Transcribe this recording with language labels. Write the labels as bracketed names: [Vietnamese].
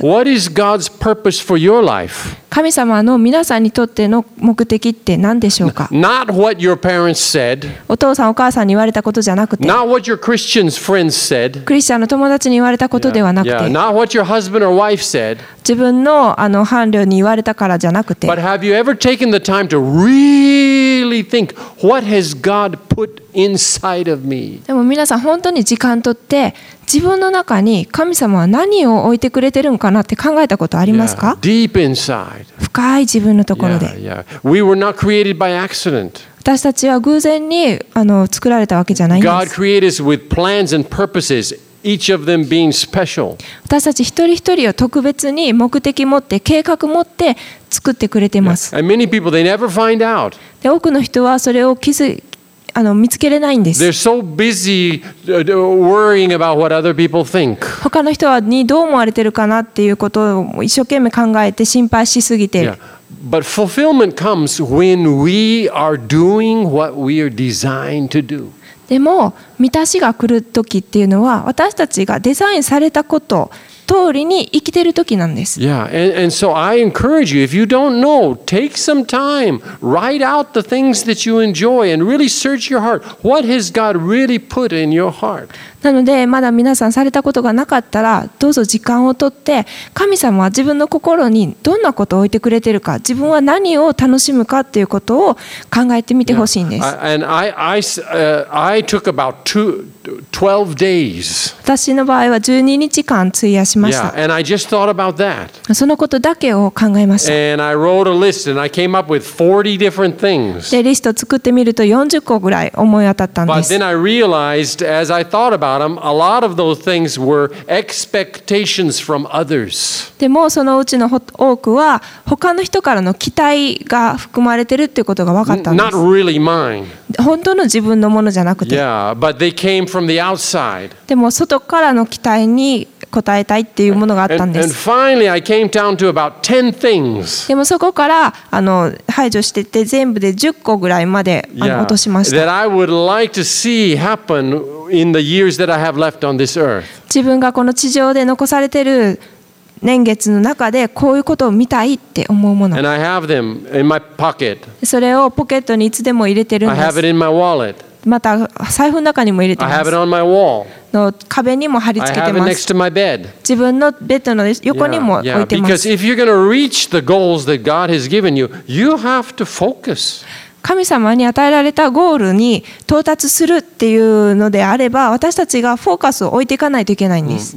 [English] What is God's purpose for your life? [Japanese] 神様の皆さんにとっての目的って何でしょうか? [English] Not what your parents said. [Japanese] お父さんお母さんに言われたことじゃなくて。 [English] Not what your Christian friends said. [Japanese] クリスチャンの友達に言われたことではなくて。 [English] Yeah. Yeah. Not what your husband or wife said. [Japanese] 自分の伴侶に言われたからじゃなくて。 [English] But have you ever taken the time to really think what has God put inside of me? [Japanese] でも皆さん本当に時間とって自分の中に神様は何を置いてくれてるのかなって考えたことありますか? [English] Yeah, deep inside. [Japanese] 深い自分のところで。 [English] Yeah, yeah. We were not created by accident. [Japanese] 私たちは偶然に作られたわけじゃないんです。 [English] God created us with plans and purposes. Each of them being special. [Japanese] 私たち一人一人を特別に目的持って計画持って作ってくれてます。 [English] And many people, they never find out. [Japanese] で、多くの人はそれを見つけれないんです。 [English] They're so busy worrying about what other people think. [Japanese] 他の人はにどう思われてるかなっていうことを一生懸命考えて心配しすぎてる。 [English] Yeah. But fulfillment comes when we are doing what we are designed to do. [Japanese] でも満たしが来る時っていうのは私たちがデザインされたこと通りに生きてる時なんです。 [English] Yeah, and so I encourage you, if you don't know, take some time, write out the things that you enjoy and really search your heart. What has God really put in your heart? [Japanese] なのでまだ皆さんされたことがなかったらどうぞ時間をとって神様は自分の心にどんなことを置いてくれてるか自分は何を楽しむかっていうことを考えてみてほしいんです。 [English] Yeah. And I took about two. 12 days. [Japanese] 私の場合は12日間費やしました。 [English] Yeah, and I just thought about that. [Japanese] そのことだけを考えました。 [English] And I wrote a list and I came up with 40 different things. [Japanese] で、リスト作ってみると40個ぐらい思い当たったんです。 [English] But then I realized as I thought about them, a lot of those things were expectations from others. [Japanese] でもそのうちの多くは他の人からの期待が含まれてるっていうことが分かったんです。 [English] Not really mine. [Japanese] 本当の自分のものじゃなくて。 [English] Yeah, but they came. From the outside. [Japanese] でも外からの期待に応えたいっていうものがあったんです。 [English] And finally, I came down to about 10 things. [Japanese] でもそこから排除してて全部で10個ぐらいまで落としました。 [English] That I would like to see happen in the years that I have left on this earth. [Japanese] 自分がこの地上で残されてる年月の中でこういうことを見たいって思うもの。 [English] And I have them in my pocket. [Japanese] それをポケットにいつでも入れてるんです。 [English] I have it in my wallet. [Japanese] また財布の中にも入れてます。 [English] I have it on my wall. [Japanese] の壁にも貼り付けてます。 [English] I have it next to my bed. [Japanese] 自分のベッドの横にも置いてます。 [English] Yeah, because if you're going to reach the goals that God has given you, you have to focus. [Japanese] 神様に与えられたゴールに到達するっていうのであれば、私たちがフォーカスを置いていかないといけないんです。